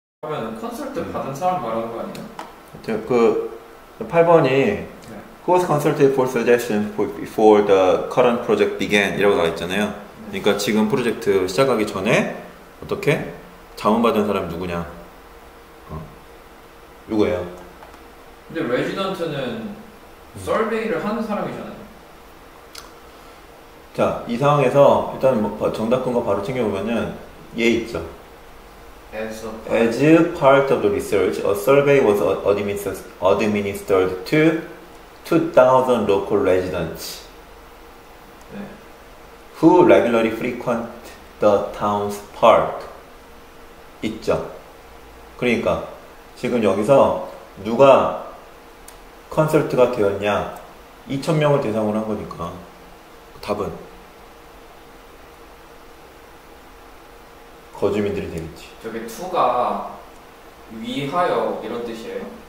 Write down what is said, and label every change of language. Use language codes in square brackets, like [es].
[ko] 그러면 컨설팅 받은 사람 말하는 거 아니야? 그 8번이 [en] who was consulted for suggestion before the current project began [ko] 이라고 나와 있잖아요. 그러니까 지금 프로젝트 시작하기 전에 어떻게 자문받은 사람이 누구냐? 이거예요. 근데 레지던트는 서베이를 하는 사람이잖아요. 자, 이 상황에서 일단 뭐 정답한 거 바로 챙겨보면은 예 있죠. [en] As part of the research, a survey was administered to 2,000 local residents [ko] 네. [en] who regularly frequent the town's park. [ko] 있죠. 그러니까 지금 여기서 누가 컨설트가 되었냐? 2,000명을 대상으로 한 거니까 답은 거주민들이 되겠지. 저게 투가 위하여 이런 뜻이에요?